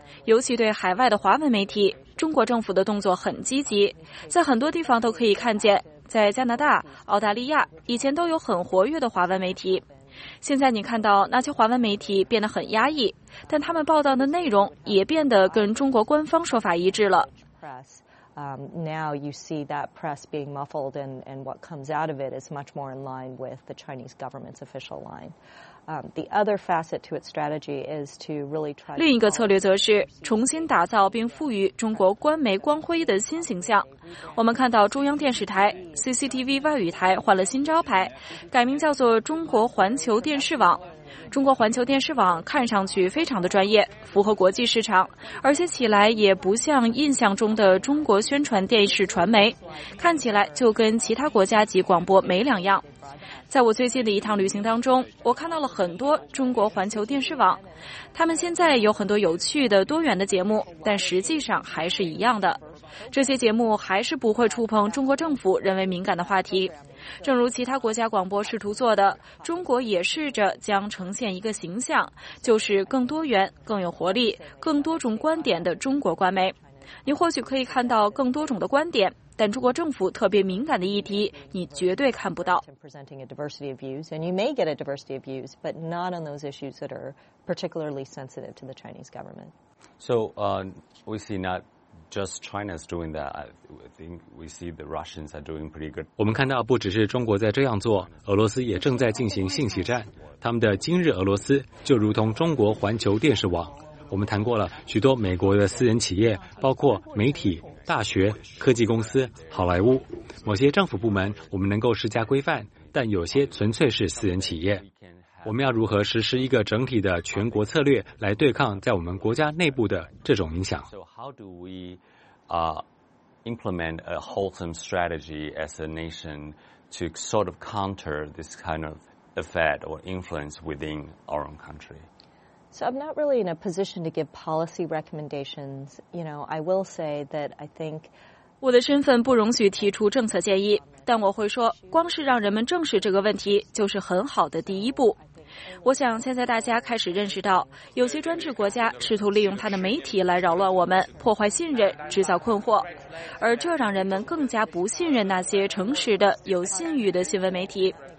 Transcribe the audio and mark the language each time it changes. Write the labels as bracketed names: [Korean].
[Chinese] 尤其对海外的华文媒体，中国政府的动作很积极，在很多地方都可以看见，在加拿大、澳大利亚，以前都有很活跃的华文媒体。现在你看到那些华文媒体变得很压抑，但他们报道的内容也变得跟中国官方说法一致了。 [English] Now you see that press being muffled, and what comes out of it is much more in line with the Chinese government's official line. The other facet to its strategy is to really try. [Chinese] 另一个策略则是重新打造并赋予中国官媒光辉的新形象。我们看到中央电视台 CCTV 外语台换了新招牌，改名叫做中国环球电视网。中国环球电视网看上去非常的专业，符合国际市场，而且起来也不像印象中的中国宣传电视传媒，看起来就跟其他国家级广播没两样。在我最近的一趟旅行当中，我看到了很多中国环球电视网，他们现在有很多有趣的多元的节目，但实际上还是一样的。这些节目还是不会触碰中国政府认为敏感的话题，正如其他国家广播试图做的，中国也试着将呈现一个形象，就是更多元、更有活力、更多种观点的中国官媒。你或许可以看到更多种的观点，但中国政府特别敏感的议题，你绝对看不到。 [English] Presenting a diversity of views, and you may get a diversity of views, but not on those issues that are particularly sensitive to the Chinese government. So, we see not just China's doing that. I think we see the Russians are doing pretty good. [Chinese] 我们看到不只是中国在这样做，俄罗斯也正在进行信息战。他们的今日俄罗斯就如同中国环球电视网。我们谈过了许多美国的私人企业，包括媒体、大学、科技公司、好莱坞。某些政府部门我们能够施加规范，但有些纯粹是私人企业。我们要如何实施一个整体的全国策略来对抗在我们国家内部的这种影响？ [English] So how do we implement a wholesome strategy as a nation to sort of counter this kind of effect or influence within our own country? So I'm not really in a position to give policy recommendations. You know, I will say that I think [Chinese] 我的身份不容许提出政策建议，但我会说，光是让人们正视这个问题就是很好的第一步。我想现在大家开始认识到，有些专制国家试图利用他的媒体来扰乱我们，破坏信任，制造困惑，而这让人们更加不信任那些诚实的、有信誉的新闻媒体。